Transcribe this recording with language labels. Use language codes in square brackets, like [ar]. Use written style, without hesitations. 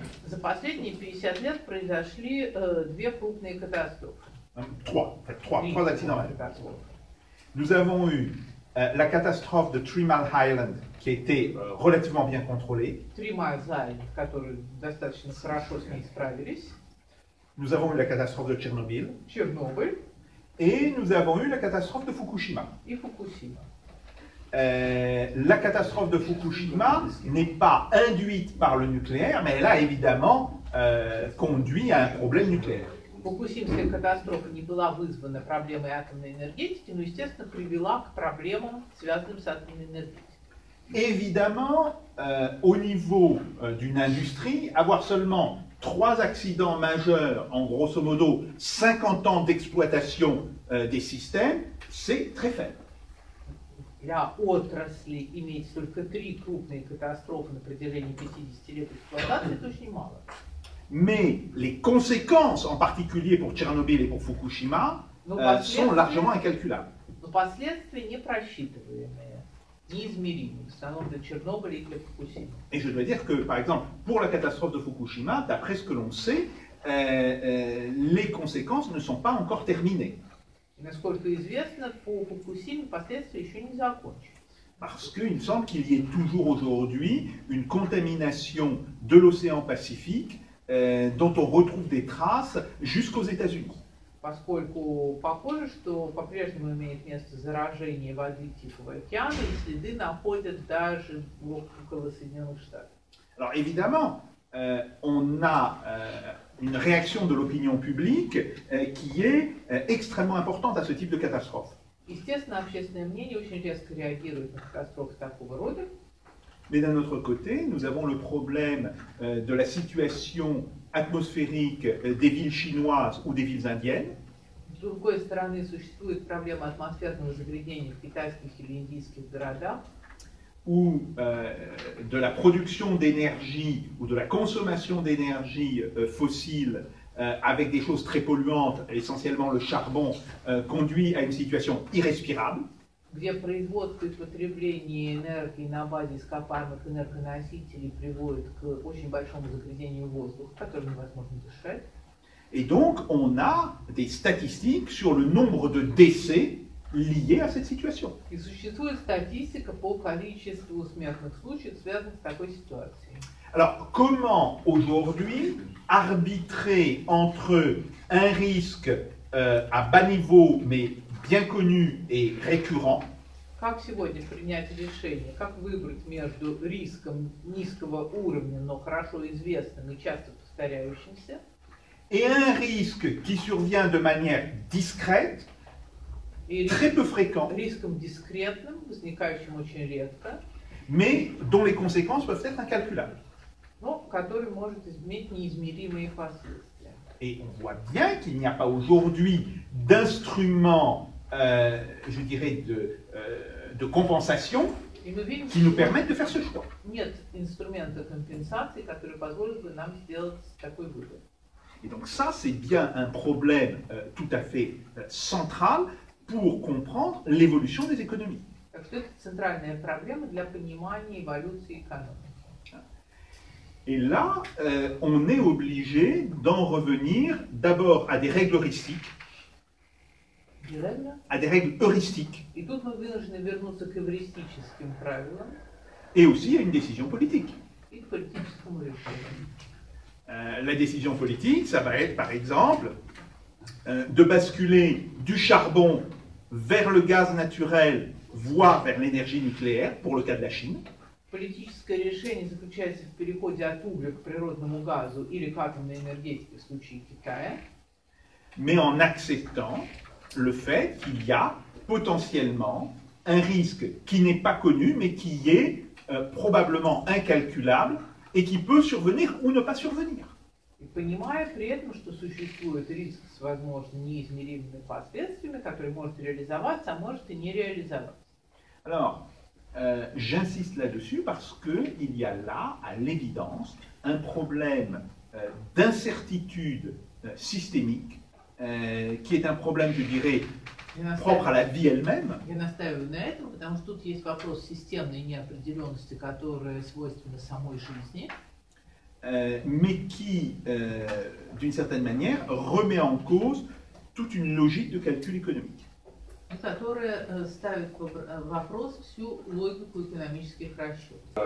[ru] За последние 50 лет произошли две крупные катастрофы. [fr] Trois accidents majeurs. Nous avons eu la catastrophe de Three Mile Island, qui était relativement bien contrôlée. [ru] Three Mile Island, который достаточно хорошо с ней справились. [fr] Nous avons eu la catastrophe de Tchernobyl. Tchernobyl. Et nous avons eu la catastrophe de Fukushima. Et Fukushima. La catastrophe de Fukushima n'est pas induite par le nucléaire, mais elle a évidemment conduit à un problème nucléaire. [ru] Фукусимская катастрофа не была вызвана проблемой атомной энергетики, но, естественно, привела к проблемам, связанным с атомной энергетикой. [fr] Évidemment, au niveau d'une industrie, avoir seulement trois accidents majeurs, en grosso modo 50 ans d'exploitation des systèmes, c'est très faible. [ru] Для отрасли иметь только три крупные катастрофы на протяжении 50 лет эксплуатации – это очень мало. [fr] Mais les conséquences, en particulier pour Tchernobyl et pour Fukushima, sont largement incalculables. [ru] Но последствия непросчитываемые, неизмеримые, в основном для Чернобыля и для Фукусимы. [fr] Et je dois dire que, par exemple, pour la catastrophe de Fukushima, d'après ce que l'on sait, les conséquences ne sont pas encore terminées. [ru] И насколько известно, по Фукусиме последствия еще не закончены. [fr] Parce qu'il semble qu'il y ait toujours aujourd'hui une contamination de l'océan Pacifique dont on retrouve des traces jusqu'aux États-Unis. [ru] Поскольку похоже, что по-прежнему имеет место заражение воды Тихого океана, и следы находят даже около Соединенных Штатов. [fr] Alors évidemment, on a une réaction de l'opinion publique qui est extrêmement importante à ce type de catastrophe. [ru] Естественно, общественное мнение очень резко реагирует на катастрофы такого рода. [fr] Mais d'un autre côté, nous avons le problème de la situation atmosphérique des villes chinoises ou des villes indiennes. [ru] С другой стороны, существует проблема атмосферного загрязнения в китайских или индийских городах. [fr] Ou de la production d'énergie ou de la consommation d'énergie fossile avec des choses très polluantes, essentiellement le charbon, conduit à une situation irrespirable. [ru] где производство и потребление энергии на базе ископаемых энергоносителей приводит к очень большому загрязнению воздуха, который невозможно дышать. И [fr] donc on a des statistiques sur le nombre de décès liés à cette situation. [ru] И существует статистика по количеству смертных случаев, связанных с такой ситуацией. [fr] Alors, comment aujourd'hui arbitrer entre un risque à bas niveau mais bien connu et récurrent? [ru] Как сегодня принять решение? Как выбрать между риском низкого уровня, но хорошо известным и часто повторяющимся? [fr] Et un risque qui survient de manière discrète, très peu fréquent. [ru] Риском дискретным, возникающим очень редко. [fr] Mais dont les conséquences peuvent être incalculables. [ru] Но который может иметь неизмеримые последствия. [fr] Et on voit bien qu'il n'y a pas aujourd'hui d'instrument, je dirais, de compensation qui nous permette de faire ce choix. [ru] Нет инструмента компенсации, который позволит бы нам сделать такой выбор. [fr] Et donc ça, c'est bien un problème tout à fait central pour comprendre l'évolution des économies. [ru] Так что это центральная проблема для понимания эволюции экономики. [fr] Et là, on est obligé d'en revenir d'abord à des règles heuristiques. À des règles heuristiques. Et [ru] тут мы вынуждены вернуться к эвристическим правилам. [fr] Et aussi à une décision politique. [ru] И к политическому решению. [fr] La décision politique, ça va être par exemple de basculer du charbon vers le gaz naturel, voire vers l'énergie nucléaire, pour le cas de la Chine. [ru] Политическое решение заключается в переходе от угля к природному газу или к атомной энергетике в случае Китая. [fr] Mais en acceptant le fait qu'il y a potentiellement un risque qui n'est pas connu, mais qui est probablement incalculable et qui peut survenir ou ne pas survenir. [ru] И понимая при этом, что существует риск с возможными неизмеримыми последствиями, который может реализоваться, а может и не реализоваться. [fr] Alors, j'insiste là-dessus parce qu'il y a là, à l'évidence, un problème d'incertitude systémique qui est un problème, je dirais, propre à la vie elle-même. [ru] Я настаиваю на этом, потому что тут есть вопрос системной неопределенности, которая свойственна самой жизни. [fr] Mais qui, d'une certaine manière, remet en cause toute une logique de calcul économique. [ru] Которая ставит вопрос всю логику экономических расчетов.